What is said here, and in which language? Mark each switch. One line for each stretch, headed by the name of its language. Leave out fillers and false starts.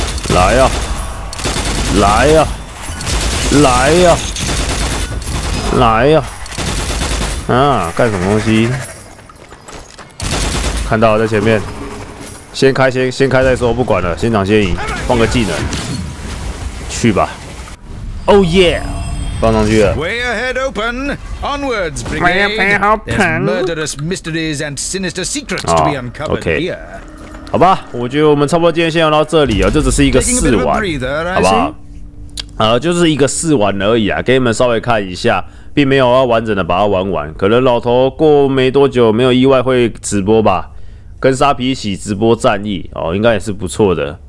Chinese: 来呀、啊，来呀、啊，来呀、啊，来呀、啊！啊，干什么东西？看到了，在前面。先开先开再说，不管了，先抢先赢，放个技能，去吧。
English: Oh yeah，
Chinese: 放上去了。
English: Way ahead, open, onwards, brigade. There's murderous mysteries and sinister secrets to be uncovered here.
Chinese: 好吧，我觉得我们差不多今天先聊到这里哦，这只是一个试玩，好吧？就是一个试玩而已啊，给你们稍微看一下，并没有要完整的把它玩完。可能老头过没多久，没有意外会直播吧，跟沙皮一起直播战役哦，应该也是不错的。